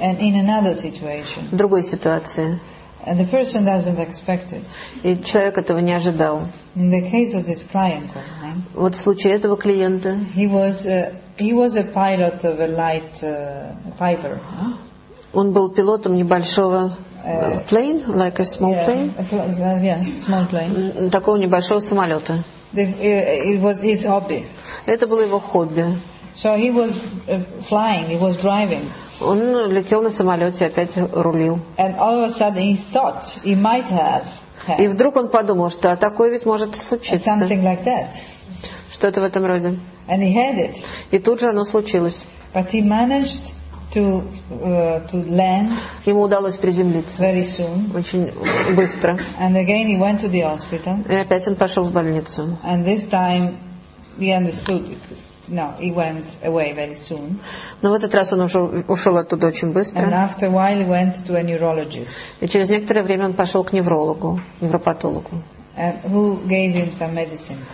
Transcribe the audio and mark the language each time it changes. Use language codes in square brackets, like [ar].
[en] And in another situation. [ru] В другой ситуации. [en] And the person doesn't expect it. [ru] И человек этого не ожидал. [en] In the case of this client, [ru] вот в случае этого клиента. [en] He was a pilot of a light fighter. [ru] Он был пилотом небольшого [en] plane, like a small plane. Small plane. [ru] Такого небольшого самолета. [en] It was his hobby. [ru] Это было его хобби. [en] So he was flying, he was driving. [ru] Он летел на самолете, опять рулил. [en] And all of a sudden he thought he might have. [ru] И вдруг он подумал, что такое ведь может случиться. [en] Something like that. [ru] Что-то в этом роде. [en] And he had it. [ru] И тут же оно случилось. [en] But he managed to land. [ru] Ему удалось приземлиться. [en] Very soon. [ru] Очень быстро. [en] And again he went to the hospital. [ru] И опять он пошел в больницу. [en] And this time he understood it. No, he went away very soon. [ru] Но в этот раз он уже ушел оттуда очень быстро. [en] And after a while he went to a neurologist. [ru] И через некоторое время он пошел к неврологу, невропатологу. [en] And who gave him some medicine.